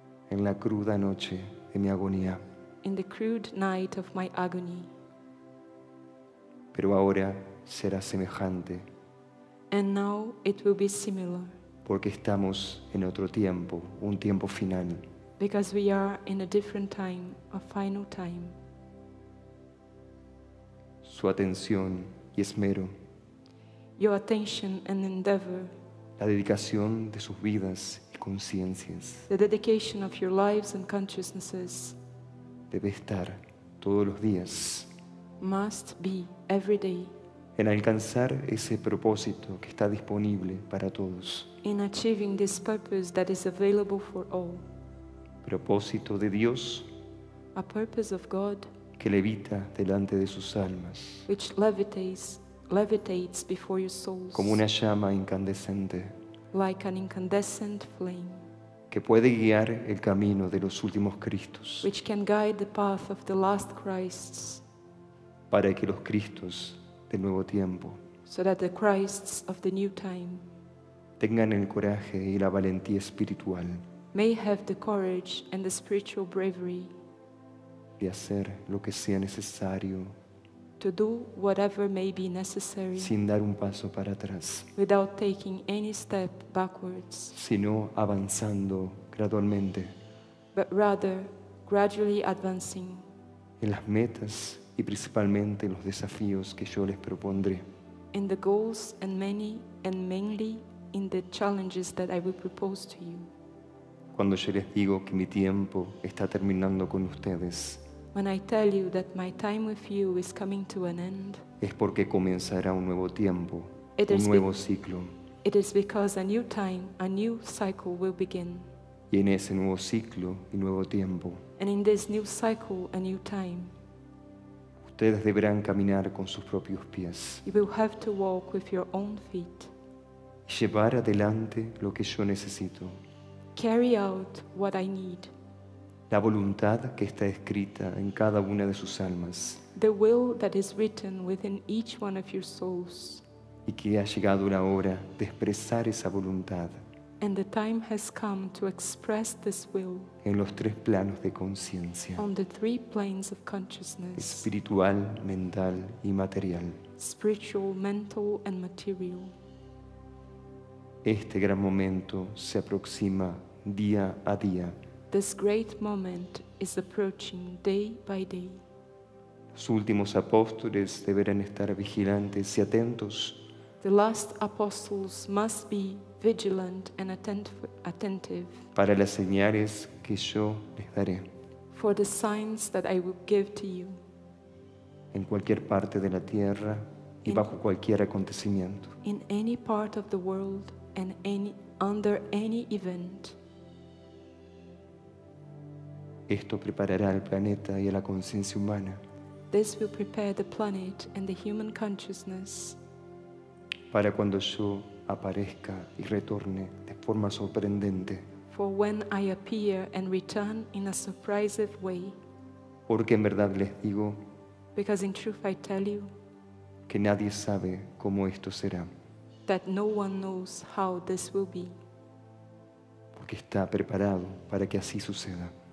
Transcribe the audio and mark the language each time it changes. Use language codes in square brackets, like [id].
[es] En la cruda noche de mi agonía. [en] In the crude night of my agony. [es] Pero ahora será semejante. [en] And now it will be similar. [es] Porque estamos en otro tiempo, un tiempo final. [en] Because we are in a different time, a final time. [es] Su atención y esmero. [en] Your attention and endeavor. [es] La dedicación de sus vidas y conciencias. [en] The dedication of your lives and consciousnesses. [es] Debe estar todos los días. [en] Must be every day. [es] En alcanzar ese propósito que está disponible para todos. [en] In achieving this purpose that is available for all. [es] Propósito de Dios. [en] A purpose of God. [es] Que levita delante de sus almas. [en] Which levitates before your souls. [es] Como una llama incandescente. [en] Like an incandescent flame. [es] Que puede guiar el camino de los últimos Cristos. [en] Which can guide the path of the last Christs. [es] Para que los Cristos del nuevo tiempo. [en] So that the Christs of the new time. [es] Tengan el coraje y la valentía espiritual. [en] May have the courage and the spiritual bravery. [es] De hacer lo que sea necesario. [en] To do whatever may be necessary. [es] Sin dar un paso para atrás. [en] Without taking any step backwards. [es] Sino avanzando gradualmente. [en] But rather, gradually advancing. [es] En las metas y principalmente en los desafíos que yo les propondré. [en] In the goals and many and mainly in the challenges that I will propose to you. [es] Cuando yo les digo que mi tiempo está terminando con ustedes. [en] When I tell you that my time with you is coming to an end. [es] Es porque comenzará un nuevo tiempo, un nuevo ciclo. [en] It is because a new time, a new cycle will begin. [es] Y en ese nuevo ciclo y nuevo tiempo. [en] And in this new cycle, a new time. [es] Ustedes deberán caminar con sus propios pies. [en] You will have to walk with your own feet. [es] Llevar adelante lo que yo necesito. [en] Carry out what I need. [es] La voluntad que está escrita en cada una de sus almas. [en] The will that is written within each one of your souls. [es] Y que ha llegado la hora de expresar esa voluntad. [en] And the time has come to express this will. [es] En los tres planos de conciencia. [en] On the three planes of consciousness. [es] Espiritual, mental y material. [en] Spiritual, mental and material. [es] Este gran momento se aproxima día a día. [en] This great moment is approaching day by day. [es] Los últimos apóstoles deberán estar vigilantes y atentos. [en] The last apostles must be vigilant and attentive. [es] Para las señales que yo les daré. [en] For the signs that I will give to you. [es] En cualquier parte de la tierra y bajo cualquier acontecimiento. [en] In any part of the world and under any event. [es] Esto preparará al planeta y a la conciencia humana. [en] This will prepare the planet and the human consciousness. [es] Para cuando yo aparezca y retorne de forma sorprendente. [en] For when I appear and return in a surprising way. [es] Porque en verdad les digo. [en] Because in truth I tell you. [es] Que nadie sabe cómo esto será. [en] That no one knows how this will be. [es] Porque está preparado para que así suceda.